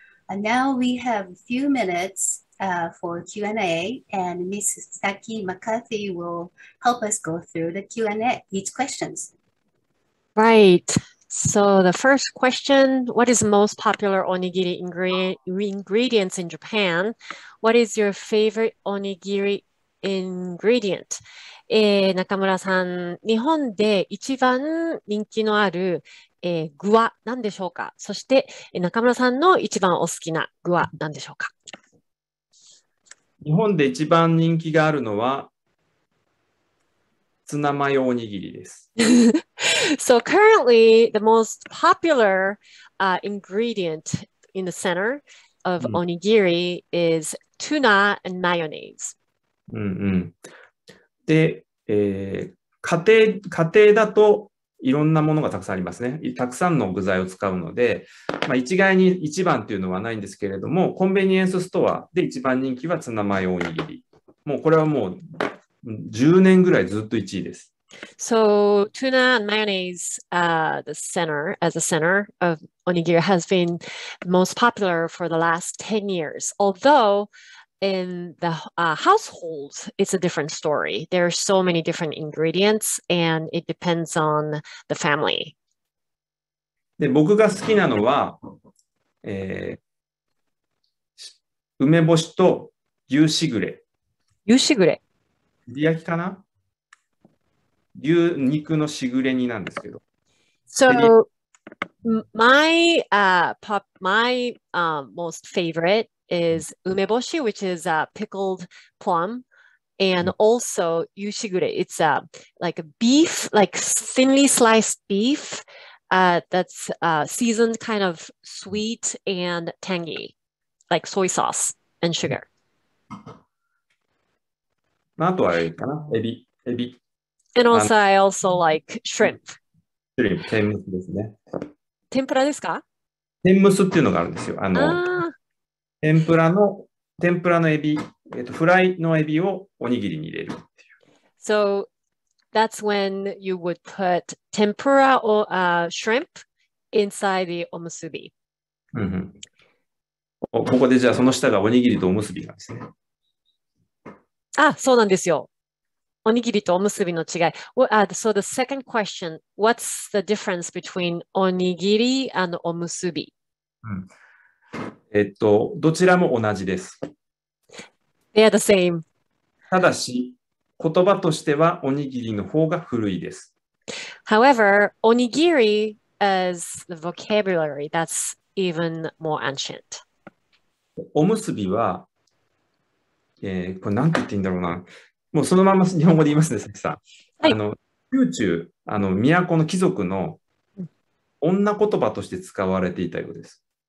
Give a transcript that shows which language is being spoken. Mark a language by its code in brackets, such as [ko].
[en] And now we have a few minutes for Q&A, and Ms. Saki McCarthy will help us go through the Q&A, each questions. Right. So the first question, what is the most popular onigiri ingredients in Japan? What is your favorite onigiri ingredient? [ja] 中村さん、日本で一番人気のある、具は何でしょうか？そして、中村さんの一番お好きな具は何でしょうか？日本で一番人気があるのはツナマヨおにぎりです。 [en] So currently, the most popular ingredient in the center of onigiri is tuna and mayonnaise. [ja] で、家庭だといろんなものがたくさんありますね。たくさんの具材を使うので、まあ、一概に一番というのはないんですけれども、コンビニエンスストアで一番人気はツナマヨおにぎり。もうこれはもう10年ぐらいずっと1位です。 [en] So tuna and mayonnaise, the center of onigiri has been most popular for the last 10 years. Although in the household, it's a different story. There are so many different ingredients and it depends on the family. [ja] で、僕が好きなのは、梅干しと牛しぐれ。牛しぐれ。で、焼きかな？牛肉のしぐれ煮なんですけど。 [en] So, my most favorite is 梅干し which is a pickled plum, and also 牛しぐれ It's a, like a beef, like thinly sliced beef, that's seasoned kind of sweet and tangy, like soy sauce and sugar. [ja] あとはあれかな？エビ、エビ。 [en] And also, I also like shrimp. [ja] Shrimp, 天むすですね。天ぷらですか？天むすっていうのがあるんですよ。あの、天ぷらのエビ、フライのエビをおにぎりに入れるっていう。 [en] So, that's when you would put tempura or shrimp inside the omusubi. [ja] ここでじゃあその下がおにぎりとおむすびなんですね。あ、そうなんですよ。onigiri to omusubi no chigai. [en] So the second question, what's the difference between onigiri and omusubi? [ja] どちらも同じです。 [en] They are the same. [ja] ただし、言葉としてはおにぎりの方が古いです。 [en] However, onigiri as the vocabulary, that's even more ancient. [ja] おむすびは、これなんて言っていいんだろうな。もうそのまま日本語で言いますね、さきさん。はい。宮中、都の貴族の女言葉として使われていたようです。